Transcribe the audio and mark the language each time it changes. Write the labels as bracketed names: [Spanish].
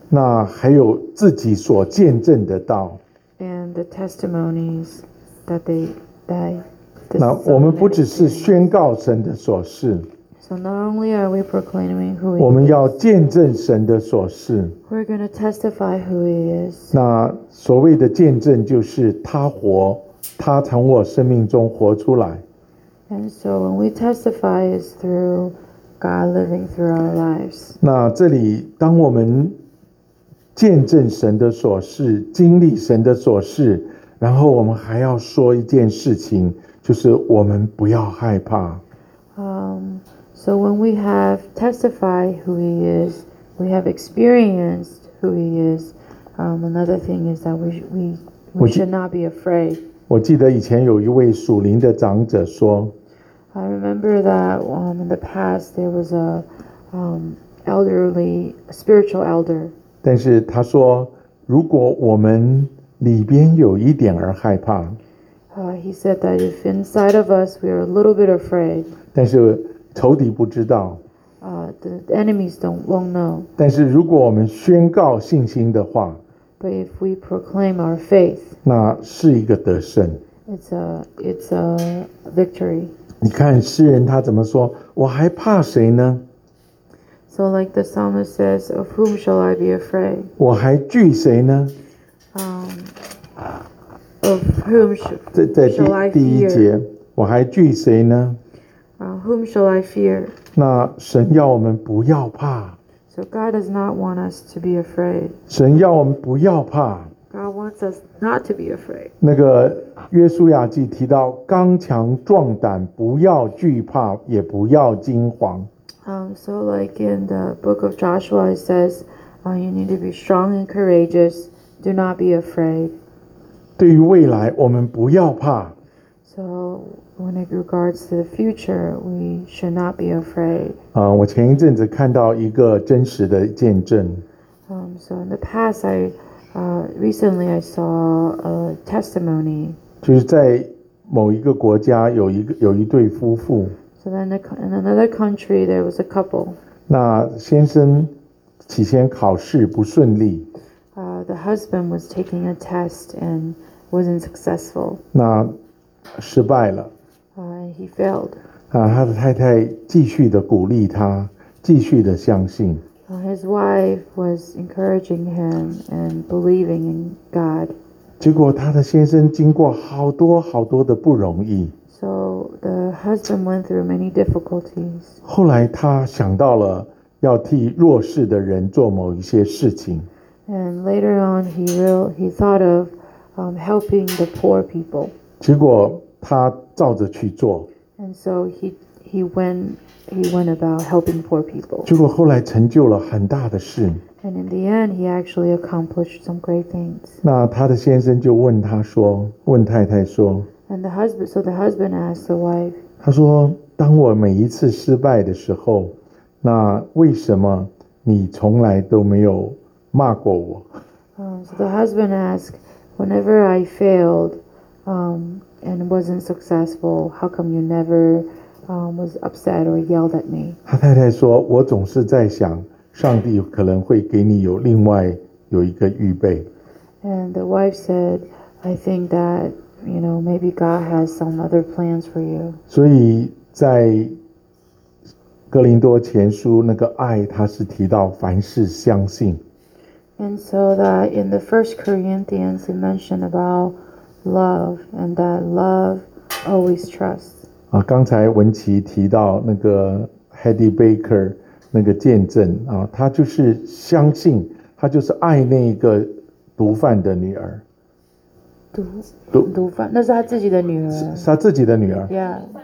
[Chinese] 那还有自己所见证的道。 [English] And the testimonies that they die. [Chinese] 那我们不只是宣告神的所事。 [English] So not only are we proclaiming who He is. [Chinese] 我们要见证神的所事。 [English] We're going to testify who He is. [Chinese] 那所谓的见证就是他活，他从我生命中活出来。 [English] And so when we testify is through. God living through our lives. [Chinese] 那这里，当我们见证神的所事，经历神的所事，然后我们还要说一件事情，就是我们不要害怕。 [English] So when we have testified who He is, we have experienced who He is. Another thing is that we should not be afraid. [Chinese] 我记得以前有一位属灵的长者说。 [English] I remember that in the past there was a elderly spiritual elder. [Chinese] 但是他说，如果我们里边有一点儿害怕。 [English] He said that if inside of us we are a little bit afraid. [Chinese] 但是仇敌不知道。 [English] The enemies won't know. [Chinese] 但是如果我们宣告信心的话。 [English] But if we proclaim our faith. [Chinese] 那是一个得胜。 [English] It's a victory. [Chinese] 你看诗人他怎么说？我还怕谁呢 [English] ？So like the psalmist says, of whom shall I be afraid? [Chinese] 我还惧谁呢 [English] ？Of whom shall I fear? [Chinese] 在第一节，我还惧谁呢 [English] ？Whom shall I fear? [Chinese] 那神要我们不要怕。 [English] So God does not want us to be afraid. [Chinese] 神要我们不要怕。 [English] God wants us not to be afraid. [Chinese] 那个。约书亚记提到刚强壮胆，不要惧怕，也不要惊慌。 [English] So like in the book of Joshua, it says, you need to be strong and courageous. Do not be afraid. [Chinese] 对于未来，我们不要怕。 [English] So when it regards to the future, we should not be afraid. [Chinese] 我前一阵子看到一个真实的见证。 [English] So in the past, I Recently, I saw a testimony. [Chinese] 就是在某一个国家有一对夫妇。 [English] So then, in another country, there was a couple. [Chinese] 那先生起先考试不顺利。 [English] The husband was taking a test and wasn't successful. [Chinese] 那失败了。 [English] He failed. [Chinese] 他的太太继续的鼓励他，继续的相信。 [English] His wife was encouraging him and believing in God. [Chinese] 结果他的先生经过好多好多的不容易。 [English] So the husband went through many difficulties. [Chinese] 后来他想到了要替弱势的人做某一些事情。 [English] And later on, he thought of helping the poor people. [Chinese] 结果他照着去做。 [English] And so he went about helping poor people. [Chinese] 结果后来成就了很大的事。 [English] And in the end, he actually accomplished some great things. [Chinese] 那他的先生就问他说，问太太说。 [English] And the husband, so the husband asked the wife. [Chinese] 他说，当我每一次失败的时候，那为什么你从来都没有骂过我？ [English] So the husband asked, whenever I failed, and wasn't successful, how come you never, was upset or yelled at me? [Chinese] 他太太说，我总是在想，上帝可能会给你有另外有一个预备。 [English] And the wife said, I think that, you know, maybe God has some other plans for you. [Chinese] 所以在哥林多前书那个爱，他是提到凡事相信。 [English] And so that in the First Corinthians, it mentioned about love, and that love always trusts. [Chinese] 啊，刚才文琪提到那个 Hedy Baker 那个见证啊，他就是相信，他就是爱那一个毒贩的女儿。毒贩，那是他自己的女儿。是他自己的女儿。 [English] Yeah.